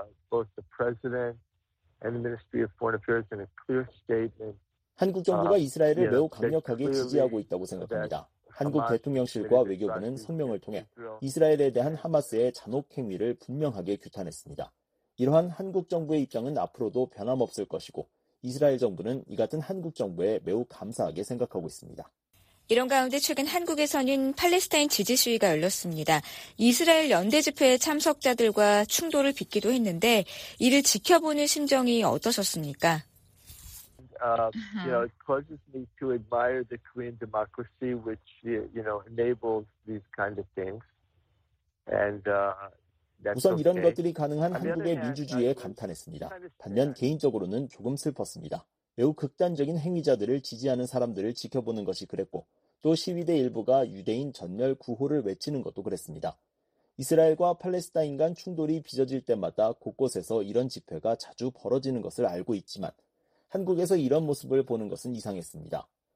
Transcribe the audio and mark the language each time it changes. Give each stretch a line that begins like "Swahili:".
English: Both the president and the Ministry of Foreign Affairs in a clear statement.
Korean: 한국 정부가 이스라엘을 매우 강력하게 지지하고 있다고 생각합니다. 한국 대통령실과 외교부는 성명을 통해 이스라엘에 대한 하마스의 잔혹 행위를 분명하게 규탄했습니다. 이러한 한국 정부의 입장은 앞으로도 변함없을 것이고 이스라엘 정부는 이 같은 한국 정부에 매우 감사하게 생각하고 있습니다. 이런 가운데 최근 한국에서는 팔레스타인 지지 시위가 열렸습니다. 이스라엘 연대 집회의 참석자들과 충돌을 빚기도 했는데 이를 지켜보는 심정이 어떠셨습니까?
English: It causes me to admire the Korean democracy, which enables these kind of things. And
Korean: 우선 이런 것들이 가능한 한국의 민주주의에 감탄했습니다. 반면 개인적으로는 조금 슬펐습니다. 매우 극단적인 행위자들을 지지하는 사람들을 지켜보는 것이 그랬고, 또 시위대 일부가 유대인 전멸 구호를 외치는 것도 그랬습니다. 이스라엘과 팔레스타인 간 충돌이 빚어질 때마다 곳곳에서 이런 집회가 자주 벌어지는 것을 알고 있지만, 한국에서 이런 모습을 보는 것은 이상했습니다.